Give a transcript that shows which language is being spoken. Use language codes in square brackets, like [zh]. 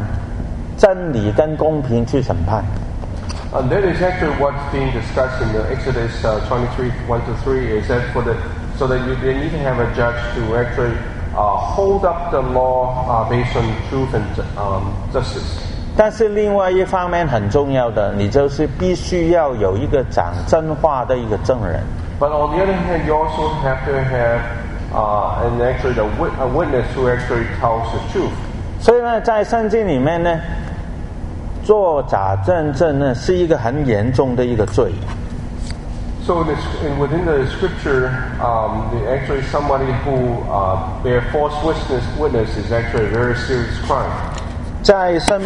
[zh] 这个就是在出埃及记23章1到3节呢，讲到这个法官他不必须要是按真理跟公平去审判。 [en] And that is actually what's being discussed in the Exodus 23:1-3, is that for the so that you they need to have a judge to actually hold up the law based on truth and justice. [zh] 但是另外一方面很重要的，你就是必须要有一个讲真话的一个证人。 [en] But on the other hand, you also have to have a witness who actually tells the truth. [zh] 所以呢，在圣经里面呢，做假证证呢是一个很严重的一个罪。 [en] So within the scripture, actually somebody who bear false witness is actually a very serious crime.